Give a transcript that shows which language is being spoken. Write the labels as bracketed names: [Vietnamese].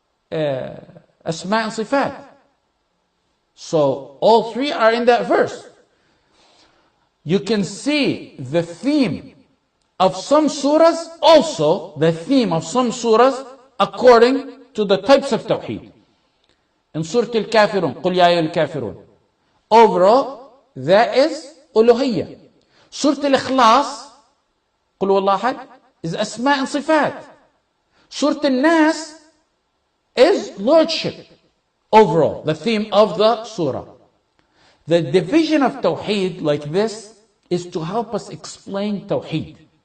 [English] Asma and Sifat. So all three are in that verse. You can see the theme of some surahs, also the theme of some surahs according to the types of tawheed. [Arabic] In Surah Al-Kafirun, قُلْ يَا أَيُّهَا الْكَافِرُونَ. [English] Overall, that is uluhiyya. Surah Al-Ikhlas, [Arabic] قُلْ هُوَ اللَّهُ أَحَد, [English] is asma and sifat. Surah Al-Nas is lordship. Overall, the theme of the surah. The division of tawheed like this is to help us explain tawheed.